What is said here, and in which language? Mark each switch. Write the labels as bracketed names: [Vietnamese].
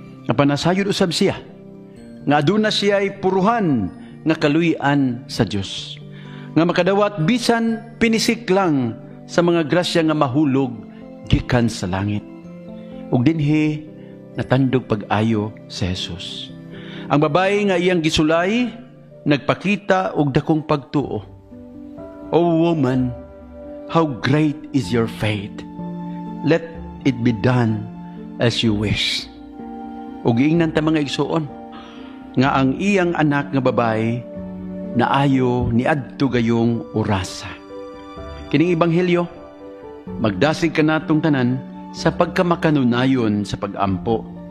[Cebuano] Napanasayod usab siya nga aduna siya ay puruhan nga kaluy-an sa Diyos, nga makadawat bisan pinisik lang sa mga grasya nga mahulog gikan sa langit. Ug dinhi natandog pag-ayo sa Jesus. Ang babae nga iyang gisulay nagpakita og dakong pagtuo. [English] O woman, how great is your faith. Let it be done as you wish. [Cebuano] Og ingnan ta mga igsuon nga ang iyang anak nga babae naayo ni adto gayong orasa. Kining ebanghelyo, magdasig ka natong tanan sa pagkamakanunayon sa pag-ampo.